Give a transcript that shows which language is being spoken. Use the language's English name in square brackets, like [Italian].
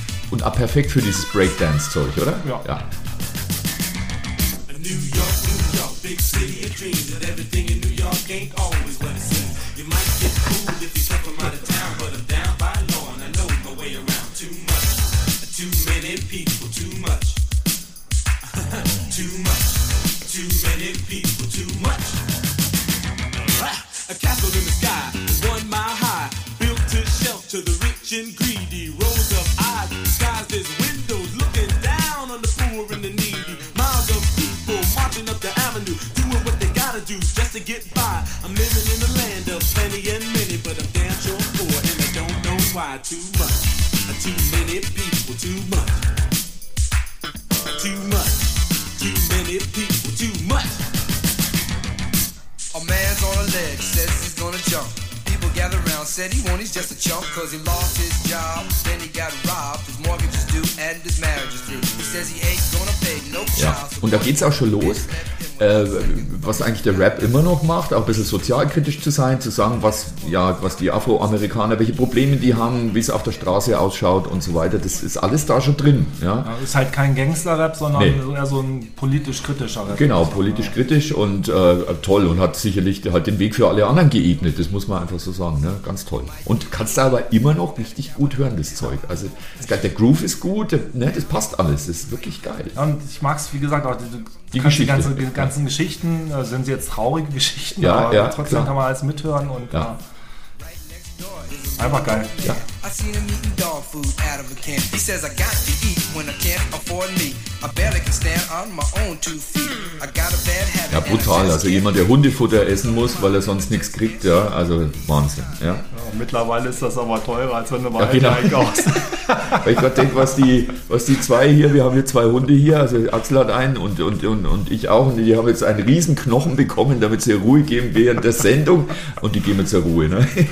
[German] Und ah, perfekt für dieses Breakdance-Zeug, oder? Ja. Ja. [English] New York, New York, big city of dreams. And everything in New York ain't always what it seems. You might get cool if you come from out of town, but I'm down by law and I know my way around. Too much. Too many people, too much. Too much. Too many people, too much. A castle in the sky, 1 mile high, built to shelter the rich and greedy. Rows of eyes disguised as windows, looking down on the poor and the needy. Miles of people marching up the avenue, doing what they gotta do just to get by. I'm living in a land of plenty and many, but I'm damn sure poor, and I don't know why. Too much. Too many people, too much. Too much. Too many people, too much. A man's on a leg, says he's gonna jump. People gather around, said he won't, he's just a chump, cause he lost his job, then he got robbed, his mortgage is due and his marriage is due. He says he ain't gonna pay no child. [German] Ja, und da geht's auch schon los. Was eigentlich der Rap immer noch macht, auch ein bisschen sozialkritisch zu sein, zu sagen, was, ja, was die Afroamerikaner, welche Probleme die haben, wie es auf der Straße ausschaut und so weiter, das ist alles da schon drin. Ja, ja, ist halt kein Gangster-Rap, sondern nee, eher so ein politisch-kritischer Rap. Genau, politisch-kritisch und toll und hat sicherlich halt den Weg für alle anderen geebnet, das muss man einfach so sagen, ne? Ganz toll. Und kannst du aber immer noch richtig gut hören, das Zeug. Also der Groove ist gut, der, ne, das passt alles, das ist wirklich geil. Ja, und ich mag es, wie gesagt, auch die Geschichte. Die ganzen Geschichten, sind sie jetzt traurige Geschichten, ja, aber ja, trotzdem klar, kann man alles mithören und ja, einfach geil. Ja. [English] I seen him eating dog food out of a can. He says I got to eat when I can't afford me. I barely can stand on my own two feet. I got a bad habit. [German] Ja, brutal. Also jemand, der Hundefutter essen muss, weil er sonst nichts kriegt, ja, also Wahnsinn. Ja, ja, mittlerweile ist das aber teurer, als wenn du mal einkaufst. Weil ich gerade denke, was die zwei hier, wir haben hier zwei Hunde hier, also Axel hat einen und ich auch, und die haben jetzt einen riesen Knochen bekommen, damit sie Ruhe geben während der Sendung, und die geben jetzt zur Ruhe, ne?